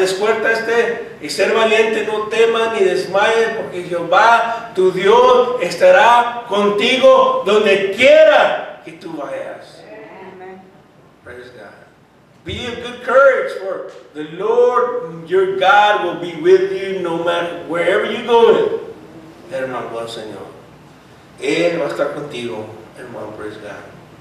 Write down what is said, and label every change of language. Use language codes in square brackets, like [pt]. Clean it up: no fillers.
[es] Despuértate y ser valiente, no temas ni desmayes, porque Jehová, tu Dios, estará contigo donde quiera que tú vayas. [en] Amen. Praise God. Be of good courage, for the Lord your God will be with you no matter wherever you go. [es] Hermano, buen Señor. Él va a estar contigo, hermano, praise God.